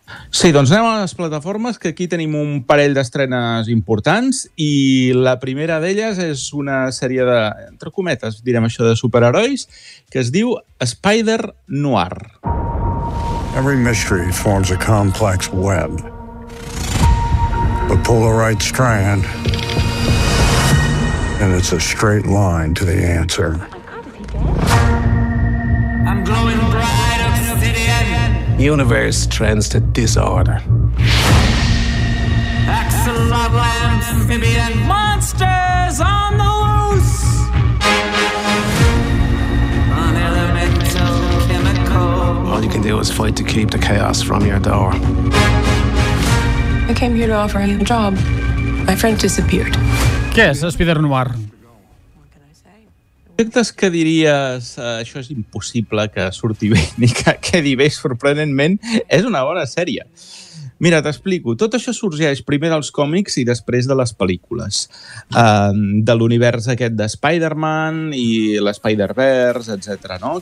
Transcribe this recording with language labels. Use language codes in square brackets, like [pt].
[ca] Sí, doncs anem a les plataformes, que aquí tenim un parell d'estrenes importants i la primera d'elles és una sèrie de, entre cometes, direm això, de superherois, que es diu Spider-Noir. [en] Every mystery forms a complex web. But pull the right strand and it's a straight line to the answer. I'm glowing bright obsidian. Universe trends to disorder. Axolotl amphibian. Monsters on the loose. On elemental chemical. All you can do is fight to keep the chaos from your door. I came here to offer him a job. My friend disappeared. [ca] Què és Spider-Noir? Projectes que diries, això és impossible que surti bé ni que quedi bé, sorprenentment, és una bona sèrie. Mira, t'explico. Tot això sorgeix primer dels còmics i després de les pel·lícules. De l'univers aquest de Spider-Man i l'Spider-Verse, etcètera, no?